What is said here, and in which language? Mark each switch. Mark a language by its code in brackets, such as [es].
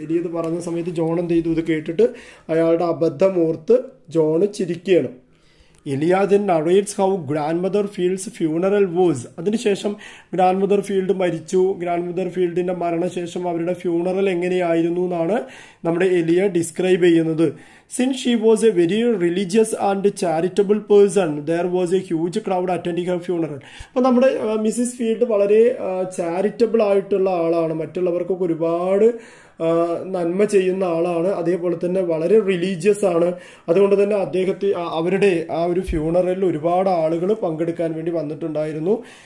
[ml] എലിയത് പറഞ്ഞ സമയത്ത് ജോൺ എന്ത് ചെയ്തു, ഇത് കേട്ടിട്ട് അയാളുടെ അബദ്ധ മുഹൂർത്ത് John ചിരിക്കുകയാണ്. [en] Elia then narrates how grandmother Field's funeral was. [ml] അതിനുശേഷം ഗ്രാൻഡ് മദർ ഫീൽഡ് മരിച്ചു, ഗ്രാൻഡ് മദർ ഫീൽഡിൻ്റെ മരണശേഷം അവരുടെ ഫ്യൂണറൽ എങ്ങനെയായിരുന്നു എന്നാണ് നമ്മുടെ എലിയ ഡിസ്ക്രൈബ് ചെയ്യുന്നത്. [en] Since she was a very religious and charitable person, there was a huge crowd attending her funeral. [ml] അപ്പോൾ നമ്മുടെ മിസ്സിസ് ഫീൽഡ് വളരെ ചാരിറ്റബിൾ ആയിട്ടുള്ള ആളാണ്, മറ്റുള്ളവർക്കൊക്കെ ഒരുപാട് നന്മ ചെയ്യുന്ന ആളാണ്, അതേപോലെ തന്നെ വളരെ റിലീജിയസ് ആണ്. അതുകൊണ്ട് തന്നെ അദ്ദേഹത്തെ അവരുടെ ആ ഒരു ഫ്യൂണറലിൽ ഒരുപാട് ആളുകൾ പങ്കെടുക്കാൻ വേണ്ടി വന്നിട്ടുണ്ടായിരുന്നു.